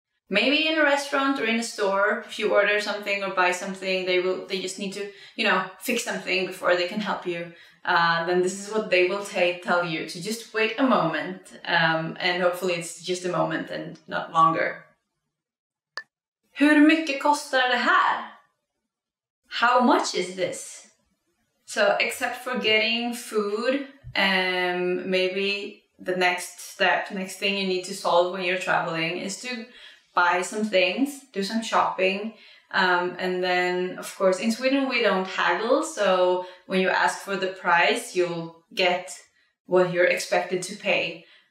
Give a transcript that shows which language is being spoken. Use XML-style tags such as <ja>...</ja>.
<en>Maybe in a restaurant or in a store, if you order something or buy something, they just need to, you know, fix something before they can help you. Then this is what they will tell you, to just wait a moment. And hopefully it's just a moment and not longer.</en> <sv>Hur mycket kostar det här?</sv> <en>How much is this? So except for getting food, maybe the next thing you need to solve when you're traveling is to buy some things, do some shopping. And then, of course, in Sweden we don't haggle, so when you ask for the price, you'll get what you're expected to pay.</en>